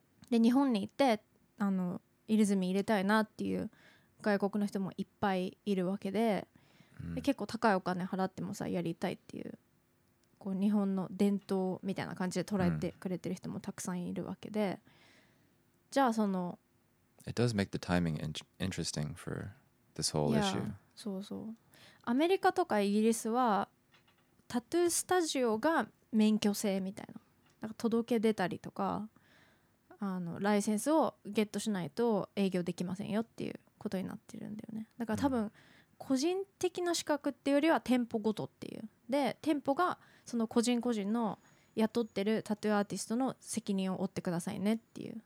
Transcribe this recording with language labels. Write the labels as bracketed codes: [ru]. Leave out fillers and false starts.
[ja] で日本に行って入れ墨入れたいなっていう外国の人もいっぱいいるわけで、で結構高いお金払ってもさやりたいっていう、こう日本の伝統みたいな感じで捉えてくれてる人もたくさんいるわけで、じゃあその [en] It does make the timing interesting for this whole issue. [ja] そうそう、アメリカとかイギリスはタトゥースタジオが免許制みたいな、なんか届け出たりとかライセンスをゲットしないと営業できませんよっていうことになってるんだよね。だから多分、個人的な資格っていうよりは店舗ごとっていう、で店舗がその個人個人の雇ってるタトゥーアーティストの責任を負ってくださいねっていう。